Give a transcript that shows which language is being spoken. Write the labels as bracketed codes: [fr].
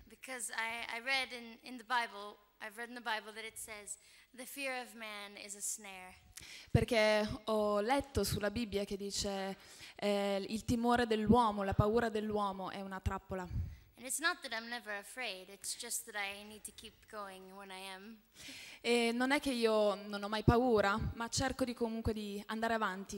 [en] Because I've read in the Bible that it says the fear of man is a snare. [it] Perché ho letto sulla Bibbia che dice il timore dell'uomo, la paura dell'uomo è una trappola. [en] And it's not that I'm never afraid, it's just that I need to keep going when I am. [it] E non è che io non ho mai paura, ma cerco di comunque di andare avanti.